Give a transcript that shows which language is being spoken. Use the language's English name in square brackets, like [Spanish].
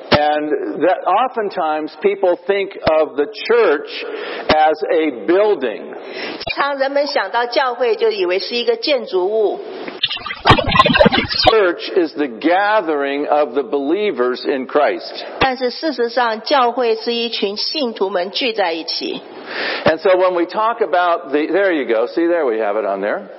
[English] And that oftentimes people think of the church as a building. [Chinese] 常人们想到教会就以为是一个建筑物。 [English] Church is the gathering of the believers in Christ. [Chinese] 但是事实上，教会是一群信徒们聚在一起。 [English] And so when we talk about the, there you go, see there we have it on there.